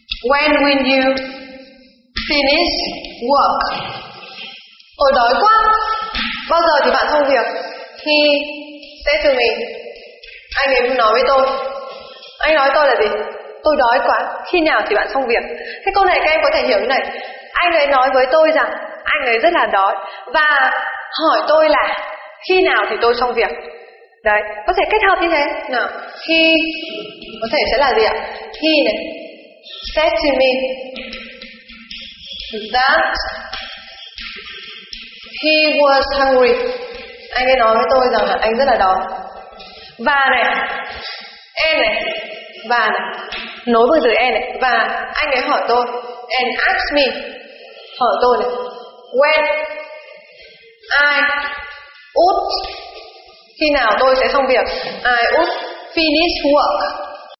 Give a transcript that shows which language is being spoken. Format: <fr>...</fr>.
<en>When will you finish work?</en> <vi>Tôi đói quá. Bao giờ thì bạn xong việc?</vi> <en>He said to me.</en> <vi>Anh ấy nói với tôi. Anh nói tôi là gì? Tôi đói quá. Khi nào thì bạn xong việc? Cái câu này các em có thể hiểu như này. Anh ấy nói với tôi rằng anh ấy rất là đói và hỏi tôi là khi nào thì tôi xong việc. Đấy, có thể kết hợp như thế. Nào, he có thể sẽ là gì ạ?</vi> <en>He này said to me that he was hungry.</en> <vi>Anh ấy nói với tôi rằng là anh rất là đói. Và này,</vi> <en>and này,</en> <vi>và này, nối với từ and này. Và anh ấy hỏi tôi,</vi> <en>and asked me,</en> <vi>hỏi tôi này,</vi> <en>when I would,</en> <vi>khi nào tôi sẽ xong việc,</vi> <en>I would finish work.</en>